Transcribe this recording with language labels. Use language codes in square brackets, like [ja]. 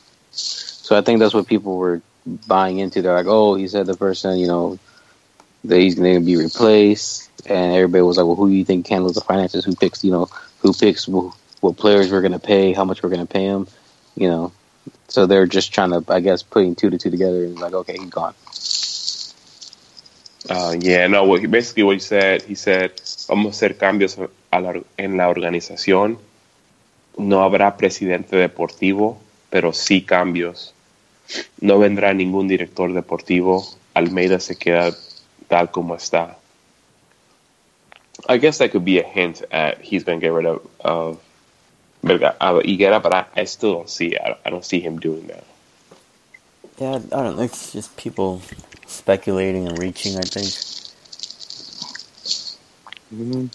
[en] So I think that's what people were buying into. They're like, oh, he said the person, you know, that he's going to be replaced, and everybody was like, well, who do you think handles the finances? Who picks, you know, who picks what players we're going to pay, how much we're going to pay him, you know? So they're just trying to, I guess, putting two to two together, and like, okay, he's gone. [es] He said, vamos a hacer cambios en la organización. No habrá presidente deportivo, pero sí cambios. No vendrá ningún director deportivo. Almeida se queda tal como está. [en] I guess that could be a hint at he's going to get rid of Higuera, but I still don't see it. I don't see him doing that. Yeah, I don't know. It's just people speculating and reaching, I think.